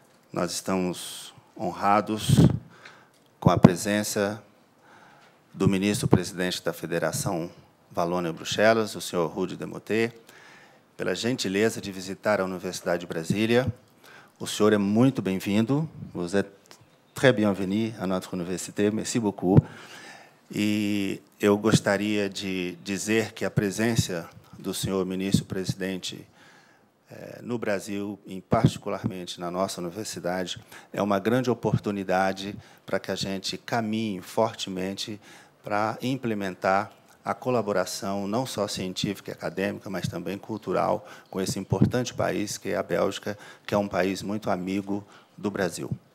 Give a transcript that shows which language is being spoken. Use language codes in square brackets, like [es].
[pt] Nós estamos honrados com a presença do ministro-presidente da Federação Valônia-Bruxelas, o senhor Rudi de Motter, pela gentileza de visitar a Universidade de Brasília. O senhor é muito bem-vindo. [fr] Vous êtes très bienvenu à notre université. Merci beaucoup. [pt] E eu gostaria de dizer que a presença do senhor ministro-presidente no Brasil, e particularmente na nossa universidade, é uma grande oportunidade para que a gente caminhe fortemente para implementar a colaboração não só científica e acadêmica, mas também cultural com esse importante país que é a Bélgica, que é um país muito amigo do Brasil.